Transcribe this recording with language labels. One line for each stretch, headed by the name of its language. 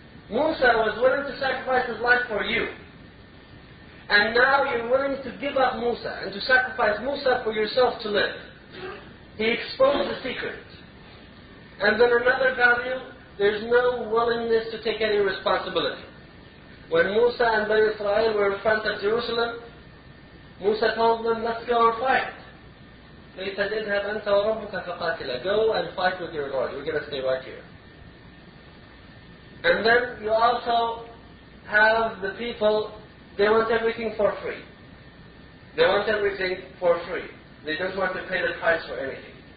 English: Musa was willing to sacrifice his life for you. And now you're willing to give up Musa and to sacrifice Musa for yourself to live. He exposed the secret. And then another value, there's no willingness to take any responsibility. When Musa and Bani Israel were in front of Jerusalem, Musa told them, let's go and fight.
Arabic: They said, اذهب أنت وربك فقاتلا.
English: Go and fight with your Lord. We're going to stay right here. And then you also have the people, they want everything for free. They want everything for free. They don't want to pay the price for anything.